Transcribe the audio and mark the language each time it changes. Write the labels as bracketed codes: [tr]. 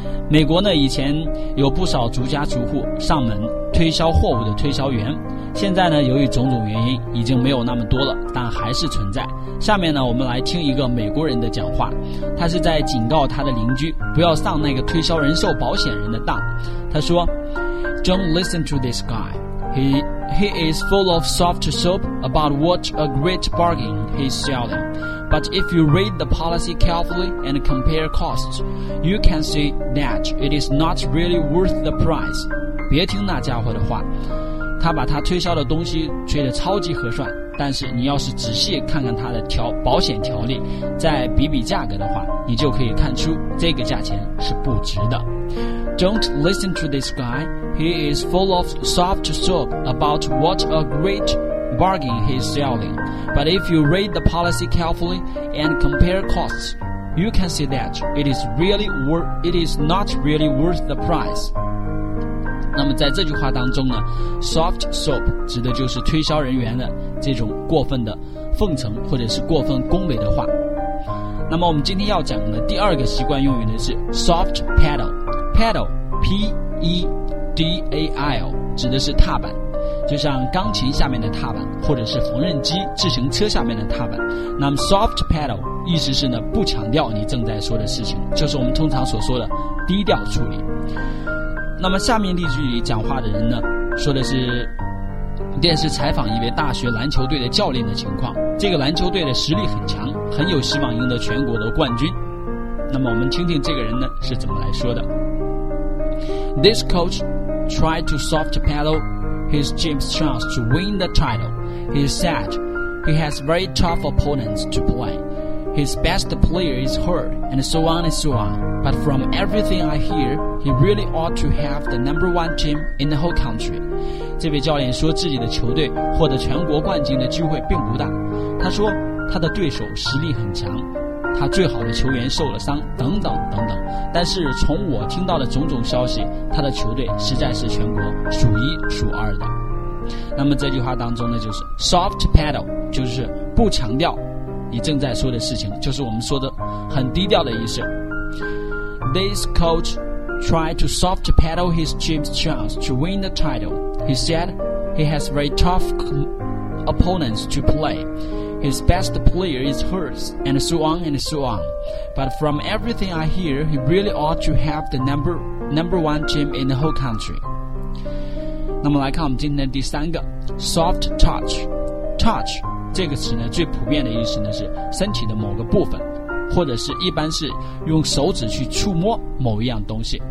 [zh] 美国呢，以前有不少逐家逐户上门推销货物的推销员，现在呢由于种种原因已经没有那么多了，但还是存在。下面呢我们来听一个美国人的讲话，他是在警告他的邻居不要上那个推销人寿保险人的当。他说 [en] Don't listen to this guy. He is full of soft soap about what a great bargain he's selling. But if you read the policy carefully and compare costs, you can see that it is not really worth the price. [zh] 别听那家伙的话，他把他推销的东西吹得超级合算，但是你要是仔细看看他的保险条例，再比比价格的话，你就可以看出这个价钱是不值的。 [en] Don't listen to this guy. He is full of soft soap about what a great bargain he is selling. But if you read the policy carefully and compare costs, you can see that it is not really worth the price. [zh] 那么在这句话当中呢， soft soap 指的就是推销人员的这种过分的奉承或者是过分恭维的话。那么我们今天要讲的第二个习惯用语呢是 soft pedal。 pedal P-E-D-A-L 指的是踏板，就像钢琴下面的踏板或者是缝纫机自行车下面的踏板。那么 soft pedal 意思是呢，不强调你正在说的事情，就是我们通常所说的低调处理。那么下面例句里讲话的人呢，说的是电视采访一位大学篮球队的教练的情况。这个篮球队的实力很强，很有希望赢得全国的冠军。那么我们听听这个人呢是怎么来说的。 [en] This coach tried to soft pedal his team's chance to win the title. He said he has very tough opponents to play. His best player is hurt and so on and so on. But from everything I hear,He really ought to have the number one team in the whole country. [zh] 这位教练说自己的球队获得全国冠军的机会并不大。他说他的对手实力很强，他最好的球员受了伤等等等等。但是从我听到的种种消息，他的球队实在是全国数一数二的。那么这句话当中呢，就是 soft pedal， 就是不强调你正在说的事情，就是我们说的很低调的意思。 [en] This coachTried to soft pedal his team's chance to win the title. He said he has very tough opponents to play. His best player is hurt, and so on and so on. But from everything I hear, he really ought to have the number one team in the whole country. [zh] 那么来看我们今天的第三个 soft touch. Touch 这个词呢，最普遍的意思呢是身体的某个部分，或者是一般是用手指去触摸某一样东西。